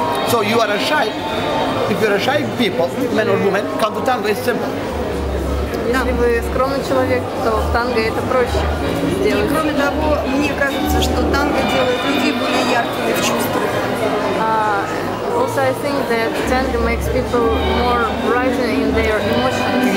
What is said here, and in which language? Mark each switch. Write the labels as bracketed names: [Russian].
[English] So you are a shy. If you are a shy people, man or woman, come to tango, it's simple. [Russian] Если вы скромный человек, то в танго это проще сделать. И кроме того, мне кажется, что танго делает людей более яркими в чувствах. [English] Also, I think that tango makes people more brighter in their emotions.